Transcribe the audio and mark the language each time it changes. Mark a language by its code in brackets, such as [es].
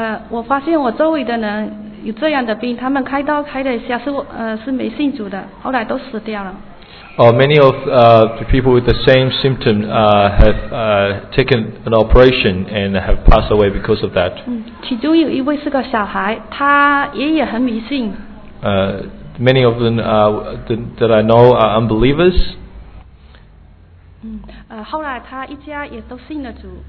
[zh] 我发现我周围的人有这样的病，他们开刀开的下是没信主的，后来都死掉了。 [en] Many of the people with the same symptom have taken an operation and have passed away because of that. [zh] 其中有一位是个小孩，他爷爷很迷信。 [en] Many of them that I know are unbelievers. [zh] 后来他一家也都信了主。